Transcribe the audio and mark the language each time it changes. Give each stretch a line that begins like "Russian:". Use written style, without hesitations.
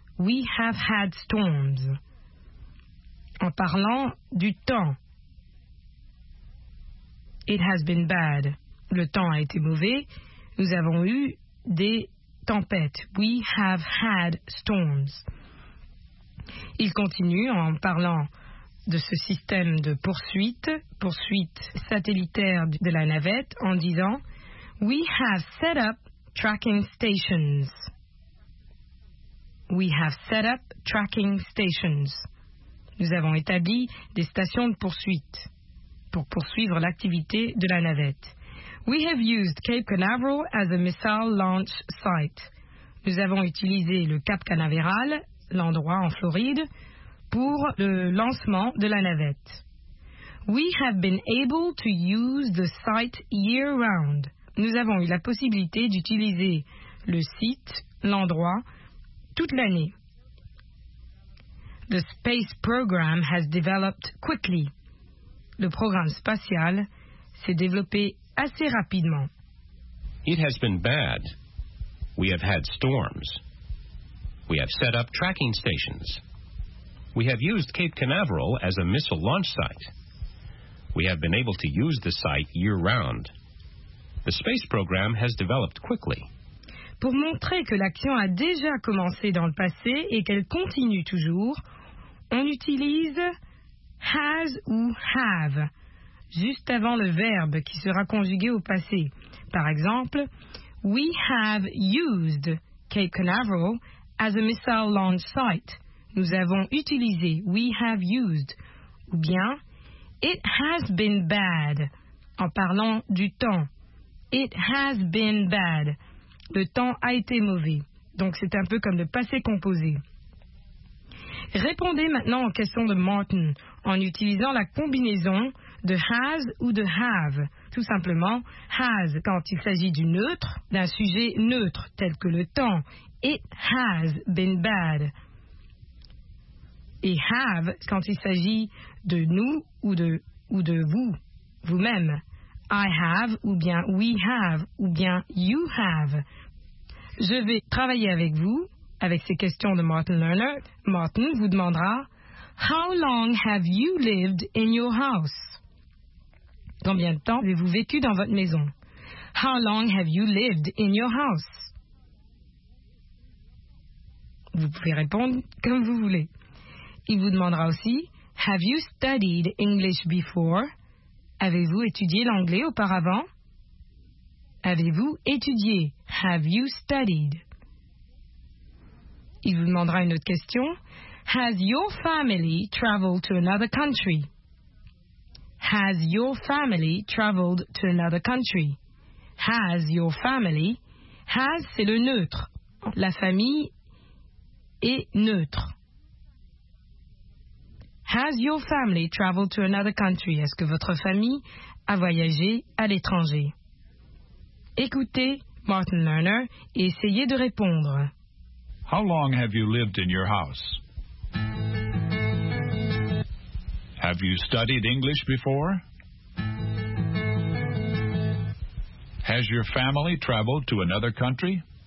English: We have had storms. »
French: En parlant du temps. «
English: It has been bad.
French: » Le temps a été mauvais. Nous avons eu des tempêtes. «
English: We have had storms.
French: » Il continue en parlant de ce système de poursuite satellitaire de la navette, en disant «
English: We have set up tracking stations. We have set up tracking stations.
French: Nous avons établi des stations de poursuite pour poursuivre l'activité de la navette.
English: We have used Cape Canaveral as a missile launch site.
French: Nous avons utilisé le Cap Canaveral, l'endroit en Floride, pour le lancement de la navette.
English: We have been able to use the site year round.
French: Nous avons eu la possibilité d'utiliser le site, l'endroit, toute l'année.
English: The space program has developed quickly.
French: Le programme spatial s'est développé assez rapidement.
English: It has been bad. We have had storms. We have set up tracking stations. We have used Cape Canaveral as a missile launch site. We have been able to use the site year-round. The space program has developed quickly.
French: pour montrer que l'action a déjà commencé dans le passé et qu'elle continue toujours, on utilise has ou have juste avant le verbe qui sera conjugué au passé. Par exemple,
English: we have used Cape Canaveral as a missile launch site.
French: Nous avons utilisé,
English: we have used.
French: Ou bien,
English: it has been bad,
French: en parlant du temps.
English: It has been bad.
French: Le temps a été mauvais. Donc, c'est un peu comme le passé composé. Répondez maintenant aux questions de Martin en utilisant la combinaison de has ou de have. Tout simplement, has quand il s'agit du neutre, d'un sujet neutre tel que le temps.
English: It has been bad.
French: Et have quand il s'agit de nous ou de vous, vous-même.
English: I have
French: ou bien
English: we have ou bien you have.
French: Je vais travailler avec vous, avec ces questions de Martin Lerner. Martin vous demandera,
English: how long have you lived in your house?
French: Combien de temps avez-vous vécu dans votre maison?
English: How long have you lived in your house?
French: Vous pouvez répondre comme vous voulez. Il vous demandera aussi,
English: have you studied English before?
French: Avez-vous étudié l'anglais auparavant? Avez-vous étudié?
English: Have you studied?
French: Il vous demandera une autre question.
English: Has your family traveled to another country? Has your family traveled to another country? Has your family? Has,
French: c'est le neutre. La famille est neutre.
English: Has your family traveled to another country?
French: Est-ce que votre famille a voyagé à l'étranger? Écoutez Martin Lerner et essayez de répondre.
English: How long have you lived in your house? Have you studied English before? Has your family traveled to another country?